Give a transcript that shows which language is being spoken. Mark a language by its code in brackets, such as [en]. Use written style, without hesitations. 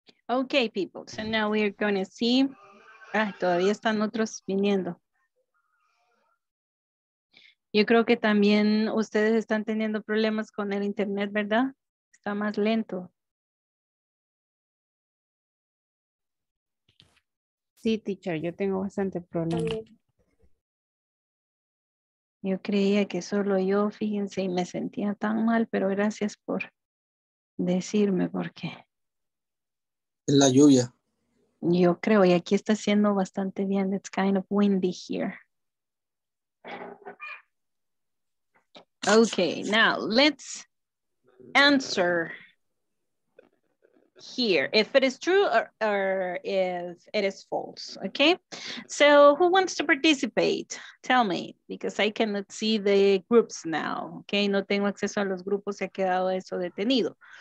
[en] Okay, people, so now we are going to see [es] Ay, todavía están otros viniendo. Yo creo que también ustedes están teniendo problemas con el internet, ¿verdad? Está más lento. Sí, teacher, yo tengo bastante problema. Yo creía que solo yo, fíjense, y me sentía tan mal, pero gracias por decirme por qué. Es la lluvia. Yo creo, y aquí está haciendo bastante bien. [en] It's kind of windy here. Okay, now let's answer here. If it is true or if it is false, okay? So who wants to participate? Tell me, because I cannot see the groups now, okay? [es] No tengo acceso a los grupos, se ha quedado eso detenido.